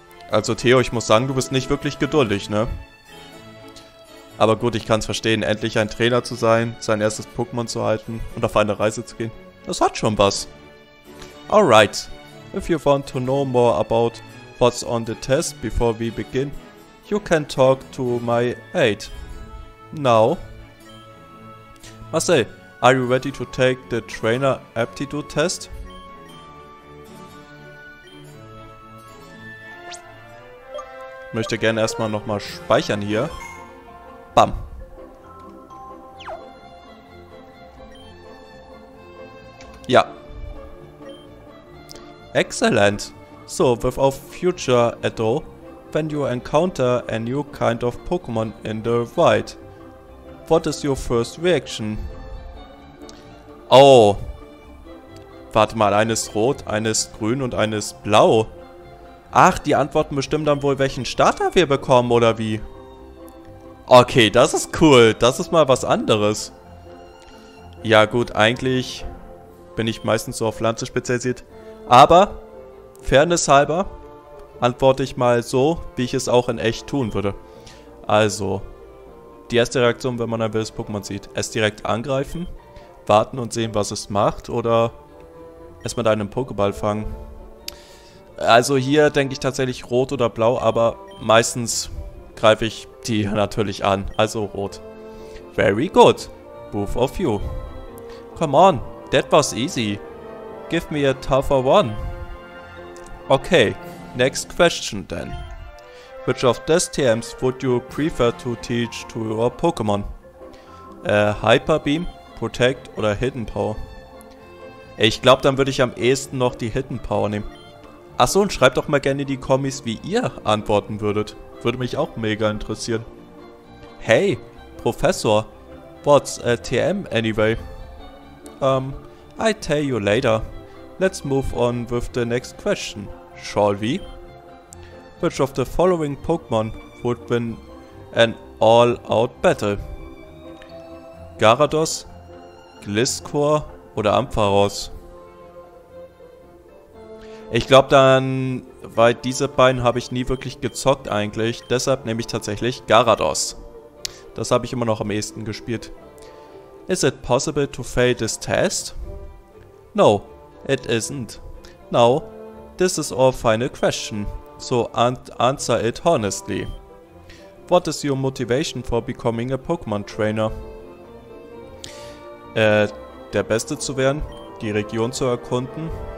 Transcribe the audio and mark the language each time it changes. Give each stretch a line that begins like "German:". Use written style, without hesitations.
German: Also Theo, ich muss sagen, du bist nicht wirklich geduldig, ne? Aber gut, ich kann's verstehen, endlich ein Trainer zu sein, sein erstes Pokémon zu halten und auf eine Reise zu gehen. Das hat schon was.
English: Alright, if you want to know more about what's on the test before we begin, you can talk to my aide. Now. Marcel, are you ready to take the trainer aptitude test?
German: Möchte gerne erstmal nochmal speichern hier. Bam. Ja.
English: Excellent. So, without future ado, when you encounter a new kind of Pokemon in the wild, what is your first reaction? Oh.
German: Warte mal, eines rot, eines grün und eines blau. Ach, die Antworten bestimmen dann wohl, welchen Starter wir bekommen, oder wie? Okay, das ist cool. Das ist mal was anderes. Ja gut, eigentlich bin ich meistens so auf Pflanze spezialisiert. Aber, Fairness halber, antworte ich mal so, wie ich es auch in echt tun würde. Also, die erste Reaktion, wenn man ein wildes Pokémon sieht, es direkt angreifen, warten und sehen, was es macht, oder es mit einem Pokéball fangen. Also hier denke ich tatsächlich rot oder blau, aber meistens greife ich die natürlich an. Also rot.
English: Very good. Both of you. Come on. That was easy. Give me a tougher one. Okay. Next question then. Which of these TMs would you prefer to teach to your Pokémon?
German: Hyper Beam, Protect oder Hidden Power? Ich glaube, dann würde ich am ehesten noch die Hidden Power nehmen. Achso, und schreibt doch mal gerne in die Kommis, wie ihr antworten würdet. Würde mich auch mega interessieren.
English: Hey, Professor, what's a TM anyway? I tell you later. Let's move on with the next question, shall we? Which of the following Pokémon would win an all-out battle?
German: Gyarados, Gliscor oder Ampharos? Ich glaube dann, weil diese beiden habe ich nie wirklich gezockt eigentlich, deshalb nehme ich tatsächlich Gyarados. Das habe ich immer noch am ehesten gespielt.
English: Is it possible to fail this test? No, it isn't. Now, this is our final question, so answer it honestly. What is your motivation for becoming a Pokémon Trainer?
German: Der Beste zu werden, die Region zu erkunden.